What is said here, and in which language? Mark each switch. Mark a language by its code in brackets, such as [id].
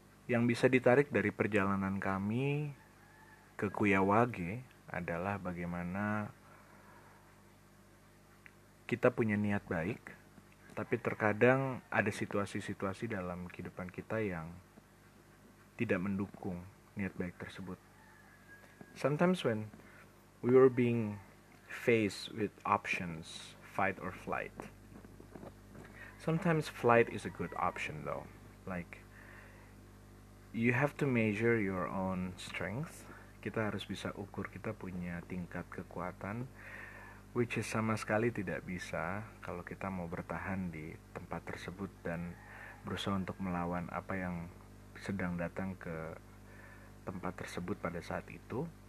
[id] Yang bisa ditarik dari perjalanan kami ke Kuyawage adalah bagaimana kita punya niat baik, tapi terkadang ada situasi-situasi dalam kehidupan kita yang tidak mendukung niat baik tersebut. [en] Sometimes when we were being faced with options, fight or flight. Sometimes flight is a good option though, like you have to measure your own strength. [id] Kita harus bisa ukur kita punya tingkat kekuatan, which is sama sekali tidak bisa kalau kita mau bertahan di tempat tersebut dan berusaha untuk melawan apa yang sedang datang ke tempat tersebut pada saat itu.